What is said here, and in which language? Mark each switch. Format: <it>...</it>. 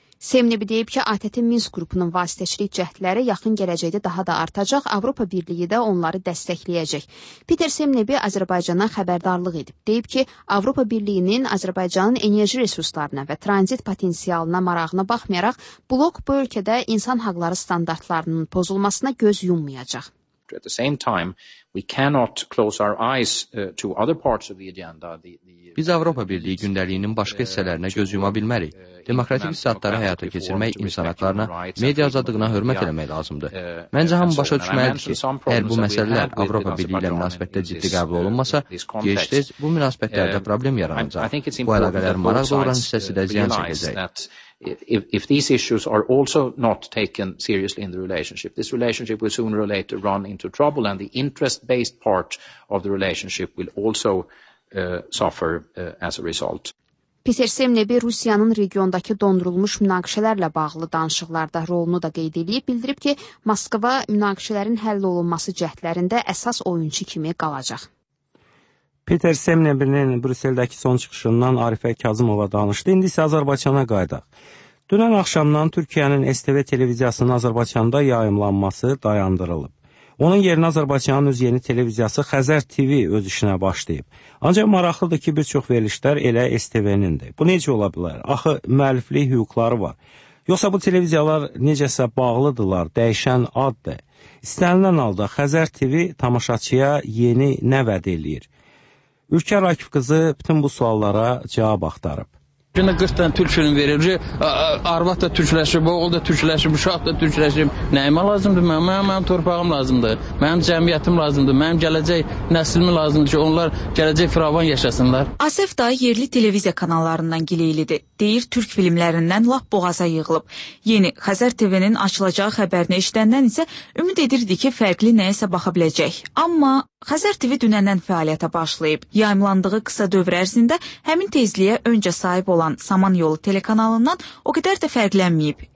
<az>Semnebi deyib ki, ATƏT-in Minsk qrupunun vasitəçilik cəhdləri yaxın gələcəkdə daha da artacaq, Avropa Birliyi də onları dəstəkləyəcək. Peter Semnebi Azərbaycana xəbərdarlıq edib. Deyib ki, Avropa Birliyinin Azərbaycanın enerji resurslarına və tranzit potensialına marağına baxmayaraq, blok bu ölkədə insan haqları standartlarının pozulmasına göz yummayacaq.</az> <en>At the same time, we cannot close our eyes to other parts of the agenda.</en> <az>Biz Avropa Birliyi gündəliyinin başqa hissələrinə göz yuma bilmərik. Demokratik islahatları həyata keçirmək, insan haqlarına, media azadlığına hörmət eləmək lazımdır. Məncə hamı başa düşməlidir ki, əgər bu məsələlər Avropa Birliyi ilə münasibətdə ciddi qəbul olunmasa, gec-tez bu münasibətlərdə problem yaranacaq. Bu əlaqələrin maraq doğuran hissəsi də ziyan çəkəcək.</az> <en>If these issues are also not taken seriously in the relationship, this relationship will sooner or later run into trouble and the interest-based part of the relationship will also suffer as a result.</en> <az>Peter Semnebi Rusiyanın regiondakı dondurulmuş münaqişələrlə bağlı danışıqlarda rolunu da qeyd edib, bildirib ki, Moskva münaqişələrin həll olunması cəhdlərində əsas oyunçu kimi qalacaq. Peter Semnebinin Brüsseldəki son çıxışından Arifə Kazımova danışdı. İndi isə Azərbaycana qayıdaq. Dünən axşamdan Türkiyənin STV televiziyasının Azərbaycanda yayımlanması dayandırılıb. Onun yerinə Azərbaycanın öz yeni televiziyası Xəzər TV öz işinə başlayıb. Ancaq maraqlıdır ki, bir çox verilişlər elə STV-nindir. Bu necə ola bilər? Axı, müəlliflik hüquqları var. Yoxsa bu televiziyalar necəsə bağlıdırlar, dəyişən addır. İstənilən halda Xəzər TV tamaşaçıya yeni nə vəd eləyir? Ülkər Akif qızı bütün bu suallara cavab axtarıb. Şimdə 40 dənə türk film verir, arvat da türkləşib, oğul da türkləşib, uşaq da türkləşib. Nəyimə lazımdır? Mənim torpağım lazımdır, mənim cəmiyyətim lazımdır, mənim gələcək nəslimi lazımdır ki, onlar gələcək firavan yaşasınlar. Asef da yerli televiziya kanallarından gileylidir. Deyir, türk filmlərindən lap boğaza yığılıb. Yeni Xəzər TV-nin açılacağı xəbərini işləndən isə ümid edirdi ki, fərqli nəyəsə baxa biləcək. Amma Xəzər TV dünəndən fəaliyyətə başlayıb. Yayımlandığı qısa dövr ərzində həmin tezliyə öncə sahib olan Saman Yolu telekanalından o qədər də fərqlənməyib.</az>